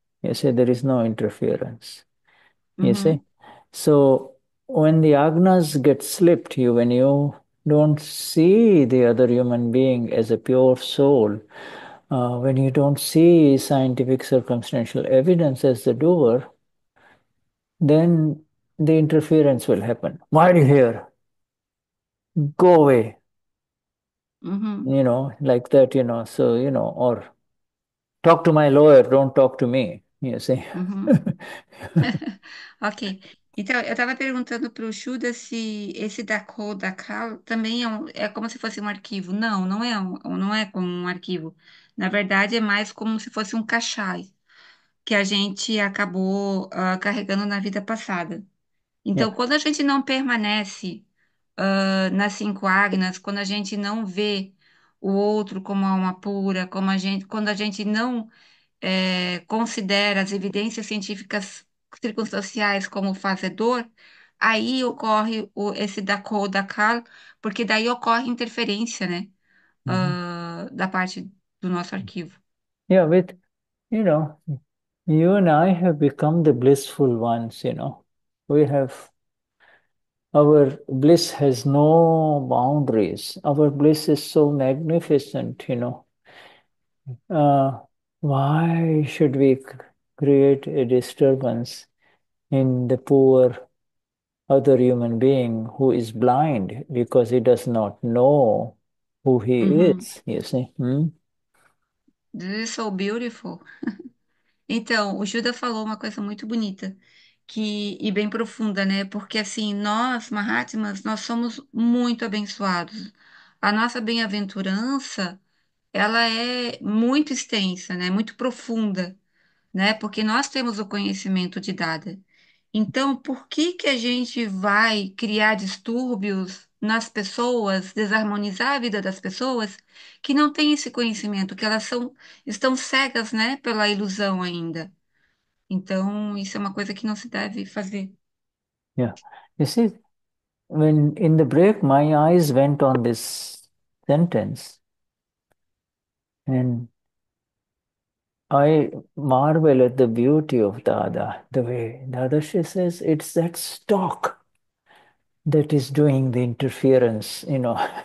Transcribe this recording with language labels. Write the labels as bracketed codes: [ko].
[en] You see, there is no interference. You see, so when the Agnas get slipped, when you don't see the other human being as a pure soul, when you don't see scientific circumstantial evidence as the doer, then the interference will happen. Why are you here? Go away. You know, like that, you know, so, you know, or talk to my lawyer, don't talk to me, you see. Ok. [pt] Então, eu estava perguntando para o Shuda se esse Dakho Dakal também é como se fosse um arquivo. Não, não é como um arquivo. Na verdade, é mais como se fosse um cachai que a gente acabou carregando na vida passada. Então, quando a gente não permanece nas cinco agnas, quando a gente não vê o outro como alma pura, como a gente, quando a gente não considera as evidências científicas circunstanciais como fazedor, aí ocorre esse Dakho Dakal, porque daí ocorre interferência, né, da parte do nosso arquivo. [en] With you and I have become the blissful ones, you know. We have our bliss has no boundaries. Our bliss is so magnificent, you know. Why should we create a disturbance in the poor other human being who is blind because he does not know who he is, you see? This is so beautiful. [pt] Então, o Judah falou uma coisa muito bonita e bem profunda, né? Porque assim, nós, Mahatmas, nós somos muito abençoados. A nossa bem-aventurança, ela é muito extensa, né? Muito profunda, né? Porque nós temos o conhecimento de Dada. Então, por que que a gente vai criar distúrbios nas pessoas, desarmonizar a vida das pessoas que não têm esse conhecimento, que elas estão cegas, né, pela ilusão ainda? Então, isso é uma coisa que não se deve fazer. [en] Yeah, you see, when in the break, my eyes went on this sentence, and I marvel at the beauty of Dada, the way Dada she says it's that stalk that is doing the interference, you know.